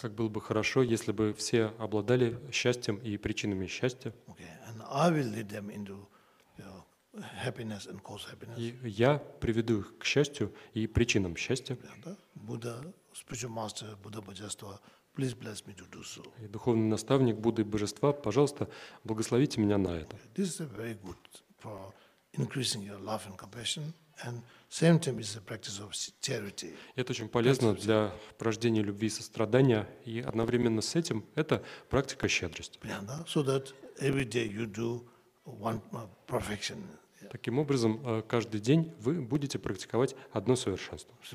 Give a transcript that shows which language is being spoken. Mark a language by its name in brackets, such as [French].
[Russian] Как было бы хорошо, если бы все обладали счастьем и причинами счастья. [English] Okay, and I will lead them into, you know, happiness and cause happiness. [Russian] И я приведу их к счастью и причинам счастья. [English] Будда, spiritual master, Будда Божество, please bless me to do so. [Russian] И духовный наставник Будды Божества, пожалуйста, благословите меня на это. [English] This is very good for increasing your love and compassion, and same time is a practice of charity. [Russian] Это очень полезно для порождения любви и сострадания, и одновременно с этим это практика щедрости. [English] So that every day you do one perfection. [Russian] Таким образом, каждый день вы будете практиковать одно совершенство.